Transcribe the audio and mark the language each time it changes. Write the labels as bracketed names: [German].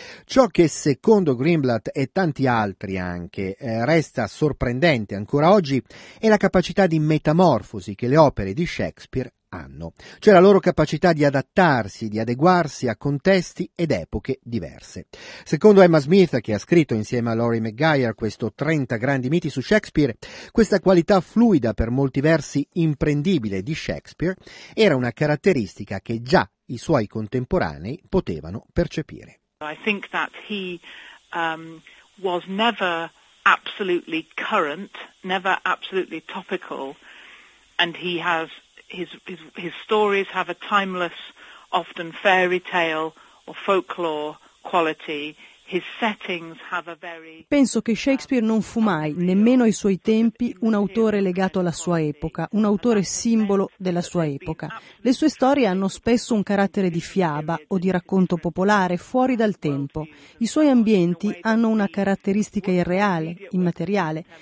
[Italian] Ciò che secondo Greenblatt e tanti altri anche resta sorprendente ancora oggi è la capacità di metamorfosi che le opere di Shakespeare hanno, cioè la loro capacità di adattarsi, di adeguarsi a contesti ed epoche diverse. Secondo Emma Smith, che ha scritto insieme a Laurie McGuire questo 30 grandi miti su Shakespeare, questa qualità fluida, per molti versi imprendibile, di Shakespeare era una caratteristica che già i suoi contemporanei potevano percepire. [English] I think that he was never absolutely current, never absolutely topical, and he has His stories have a timeless, often fairy tale or folklore quality. His settings have a very... [Italian] Penso che Shakespeare non fu mai, nemmeno ai suoi tempi, un autore legato alla sua epoca, un autore simbolo della sua epoca. Le sue storie hanno spesso un carattere di fiaba o di racconto popolare, fuori dal tempo. I suoi ambienti hanno una caratteristica irreale, immateriale.